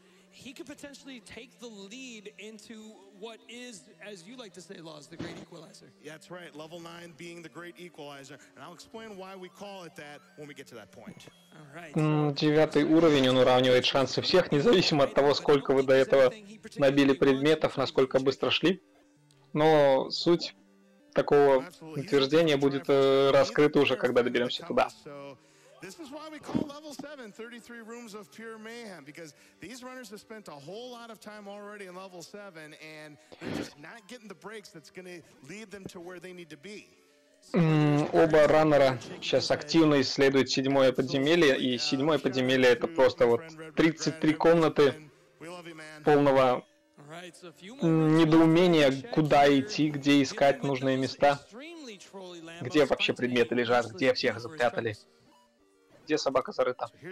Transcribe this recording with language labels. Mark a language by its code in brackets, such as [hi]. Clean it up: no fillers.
[en] He could potentially take the lead into what is, as you like to say, Laws, the Great Equalizer. Yeah, that's right. Level 9 being the Great Equalizer. And I'll explain why we call it that when we get to that point. All right. [ru] Девятый уровень, он уравнивает шансы всех, независимо от того, сколько вы до этого набили предметов, насколько быстро шли. Но суть такого утверждения будет раскрыта уже, когда доберемся туда. [en] This is why we call level 7 33 rooms of pure mayhem, because these runners have spent a whole lot of time already in level 7 and they're just not getting the breaks that's going to lead them to where they need to be. [ru] Оба раннера сейчас активно исследуют седьмое подземелье, и седьмое подземелье это просто вот 33 комнаты полного недоумения, куда идти, где искать нужные места, где вообще предметы лежат, где всех запрятали. Где собака зарыта?